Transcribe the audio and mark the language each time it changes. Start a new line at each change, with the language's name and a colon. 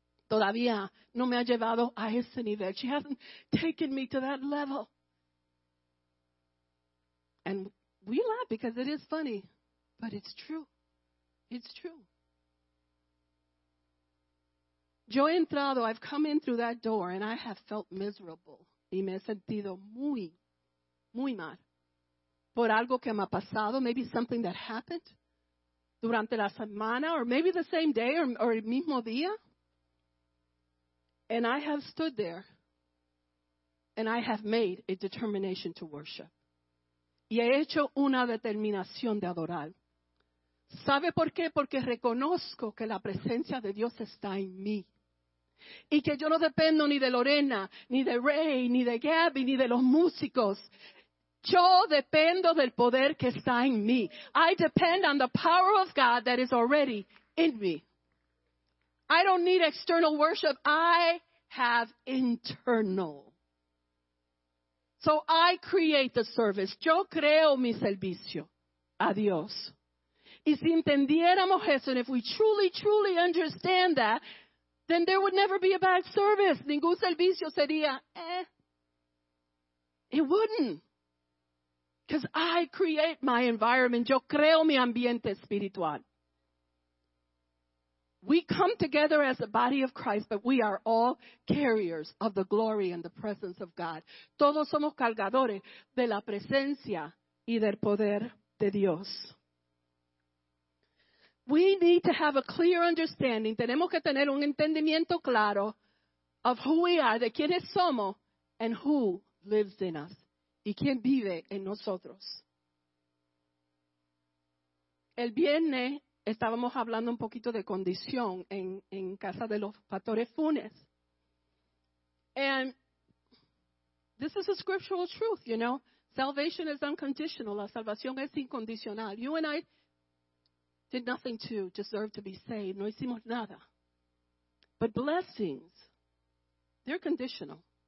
Spanish: Todavía no me ha llevado a ese nivel.
English: She hasn't taken me to that level. And we laugh because it is funny, but it's true. It's true.
Spanish: Yo he entrado,
English: I've come in through that door, and I have felt miserable.
Spanish: Y me he sentido muy, muy mal. Por algo que me ha pasado,
English: maybe something that happened
Spanish: durante la semana,
English: or maybe the same day, or
Spanish: el mismo día.
English: And I have stood there, and I have made a determination to worship.
Spanish: Y he hecho una determinación de adorar. ¿Sabe por qué? Porque reconozco que la presencia de Dios está en mí. Y que yo no dependo ni de Lorena, ni de Ray, ni de Gabby, ni de los músicos. Yo dependo del poder que está en mí.
English: I depend on the power of God that is already in me. I don't need external worship. I have internal. So I create the service.
Spanish: Yo creo mi servicio a Dios. Y si entendiéramos eso,
English: and if we truly, truly understand that, then there would never be a bad service.
Spanish: Ningún servicio sería, eh.
English: It wouldn't. Because I create my environment.
Spanish: Yo creo mi ambiente espiritual.
English: We come together as a body of Christ, but we are all carriers of the glory and the presence of God.
Spanish: Todos somos cargadores de la presencia y del poder de Dios.
English: We need to have a clear understanding.
Spanish: Tenemos que tener un entendimiento claro
English: of who we are,
Spanish: de quiénes somos,
English: and who lives in us.
Spanish: Y quién vive en nosotros. El viernes estábamos hablando un poquito de condición en casa de los pastores Funes.
English: And this is a scriptural truth, you know. Salvation is unconditional.
Spanish: La salvación es incondicional.
English: You and I did nothing to deserve to be saved.
Spanish: No hicimos nada.
English: But blessings, they're conditional.